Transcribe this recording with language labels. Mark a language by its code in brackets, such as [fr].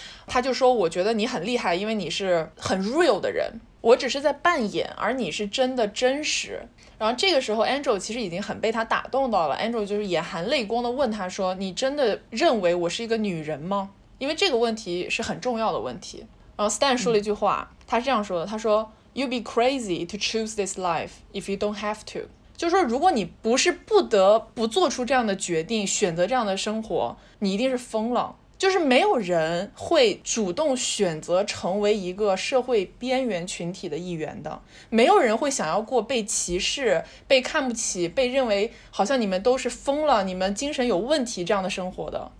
[zh] 他就说，我觉得你很厉害，因为你是很 real 的人，我只是在扮演，而你是真的真实。然后这个时候 Angel 其实已经很被他打动到了， Angel 就是眼含泪光的问他说，你真的认为我是一个女人吗？因为这个问题是很重要的问题。然后 Stan 说了一句话，他是这样说的，他说 [en] You'd be crazy to choose this life if you don't have to. [zh] 就是说如果你不是不得不做出这样的决定，选择这样的生活，你一定是疯了。就是没有人会主动选择成为一个社会边缘群体的一员的，没有人会想要过被歧视、被看不起、被认为好像你们都是疯了、你们精神有问题这样的生活的。